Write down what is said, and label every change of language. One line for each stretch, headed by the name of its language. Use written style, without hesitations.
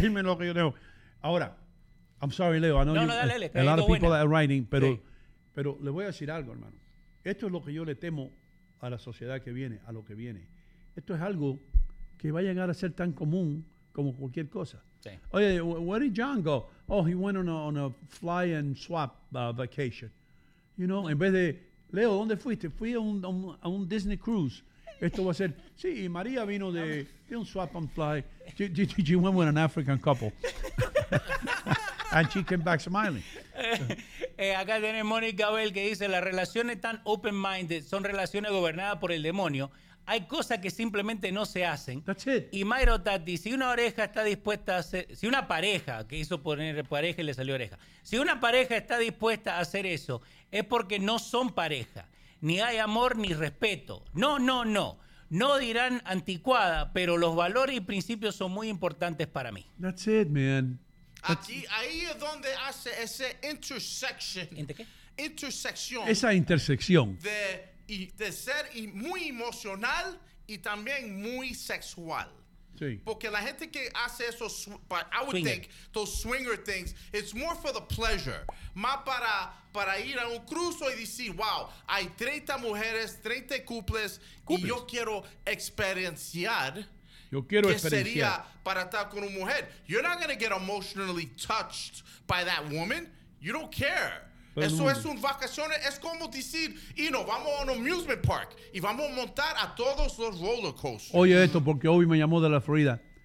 Spanish: Dime lo que yo tengo. Ahora,
English: I'm sorry,
Spanish: Leo. No, dale.
English: A lot of people that are writing,
Spanish: pero le voy a decir algo, hermano. Esto es lo que yo le temo a la sociedad que viene, a lo que viene. Esto es algo que va a llegar a ser tan común como cualquier cosa. Sí. Oye,
English: where did John go? Oh, he went on a fly and swap vacation. You know,
Spanish: en vez de, Leo, ¿dónde fuiste? Fui a un Disney cruise. Esto va a ser, sí, y María vino de un
English: swap and fly. She went with an African couple. And she came back smiling.
Spanish: Acá tenemos Mónica Bell que dice, las relaciones tan open-minded son relaciones gobernadas por el demonio. Hay cosas que simplemente no se hacen.
English: That's it.
Spanish: Y Mayro Tati, si una oreja está dispuesta a hacer, si una pareja, que hizo poner pareja y le salió oreja, si una pareja está dispuesta a hacer eso, es porque no son pareja. Ni hay amor ni respeto. No. No dirán anticuada, pero los valores y principios son muy importantes para mí.
English: That's it, man.
Spanish: Ahí es donde hace ese intersection. ¿Entre qué? Intersección. Esa intersección. De ser muy emocional y también muy sexual. Sí. Porque la gente que hace eso,
English: I would think, those swinger things, it's more for the pleasure.
Spanish: Más para ir a un cruzo y decir, wow, hay 30 mujeres, 30 couples, y yo quiero experienciar. Yo quiero experiencia. ¿Qué sería para estar con una mujer?
English: You're not going to get emotionally touched by that woman. You don't care.
Spanish: Pero eso es un vacaciones. Es como decir, Ino, vamos a un
English: amusement park
Spanish: y vamos a montar a todos los
English: roller coasters.
Spanish: Oye esto, porque Obi me llamó de la Florida.